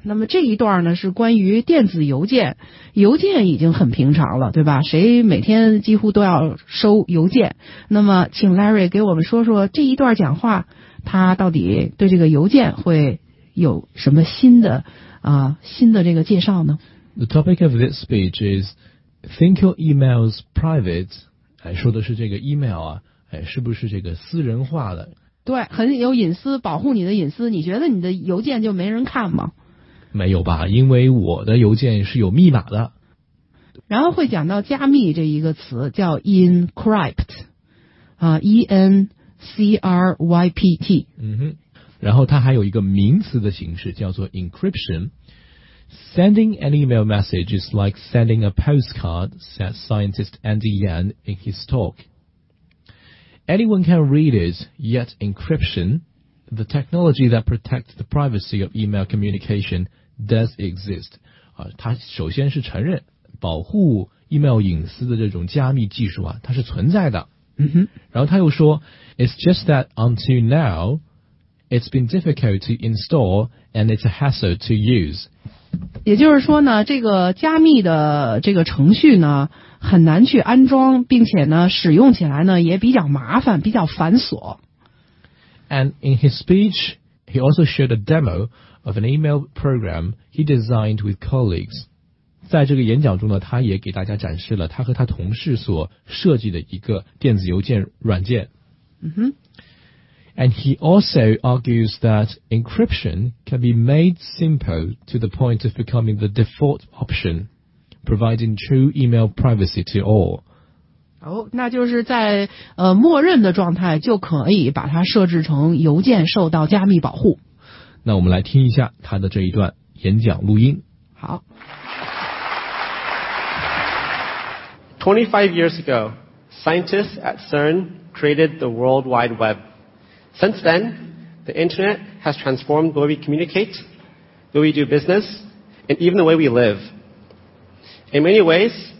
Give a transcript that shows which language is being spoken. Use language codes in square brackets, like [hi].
[zh] 那么这一段呢是关于电子邮件，邮件已经很平常了，对吧？谁每天几乎都要收邮件。那么请 Larry 给我们说说这一段讲话，他到底对这个邮件会有什么新的这个介绍呢？ [en] The topic of this speech is think your emails private. [zh] 哎，说的是这个 email 啊，哎，是不是这个私人化的？对，很有隐私，保护你的隐私。你觉得你的邮件就没人看吗？没有吧，因为我的邮件是有密码的。然后会讲到加密这一个词，叫 encrypt 啊 ，en。 [en] C-R-Y-P-T [zh] 嗯哼，然后它还有一个名词的形式叫做 encryption. [en] Sending an email message is like sending a postcard, said scientist Andy Yan in his talk. Anyone can read it, yet encryption, the technology that protects the privacy of email communication, does exist. [zh] 它首先是承认保护 email 隐私的这种加密技术啊，它是存在的。 Mm-hmm. [en] 然后他又说 It's just that until now it's been difficult to install and it's a hassle to use. [zh] 也就是说呢，这个加密的这个程序呢很难去安装，并且呢使用起来呢也比较麻烦，比较繁琐。 [en] And in his speech he also showed a demo of an email program he designed with colleagues. [zh] 在这个演讲中呢，他也给大家展示了他和他同事所设计的一个电子邮件软件。嗯哼。 [en] And he also argues that encryption can be made simple to the point of becoming the default option, providing true email privacy to all. [zh] 哦，那就是在默认的状态就可以把它设置成邮件受到加密保护。那我们来听一下他的这一段演讲录音。好。 [en] 25 years ago, scientists at CERN created the World Wide Web. Since then, the Internet has transformed the way we communicate, the way we do business, and even the way we live. In many ways,